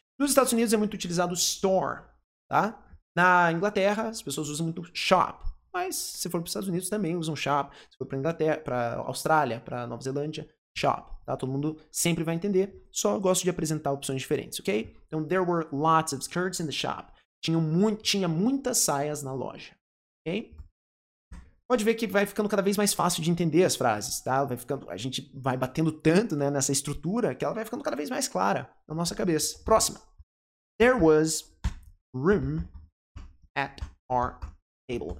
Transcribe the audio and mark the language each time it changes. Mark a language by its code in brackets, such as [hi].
[pt] Nos Estados Unidos é muito utilizado store, tá? Na Inglaterra, as pessoas usam muito shop. Mas, se for para os Estados Unidos, também usam shop. Se for para Inglaterra, para Austrália, para Nova Zelândia, shop, tá? Todo mundo sempre vai entender. Só gosto de apresentar opções diferentes, ok? Então, [en] there were lots of skirts in the shop. [pt] Tinha muitas saias na loja, ok? Pode ver que vai ficando cada vez mais fácil de entender as frases, tá? Vai ficando, a gente vai batendo tanto, né, nessa estrutura que ela vai ficando cada vez mais clara na nossa cabeça. Próxima. [en] There was room at our table.